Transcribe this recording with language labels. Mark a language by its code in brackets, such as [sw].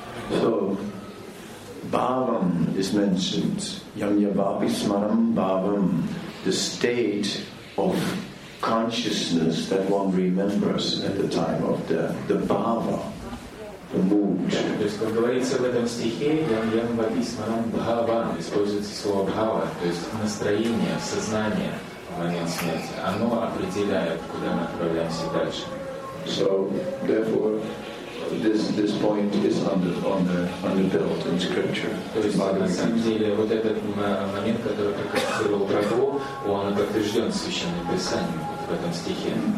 [en] So, bhavam is mentioned, [sa] yamya bhavi smaram bhavam, [en] the state of consciousness that one remembers at the time of the bhava, the mood. [ru] То есть, как говорится в этом стихе, [sa] yamya bhavi smaram bhavam, [ru] используется слово bhava, то есть настроение, сознание в момент смерти, оно определяет, куда мы отправляемся дальше. [en] So, therefore, This point is under built in scripture. [ru] То есть на самом деле вот этот момент, который прокомментировал Прабху, он подтвержден Священным Писанием вот в этом стихе.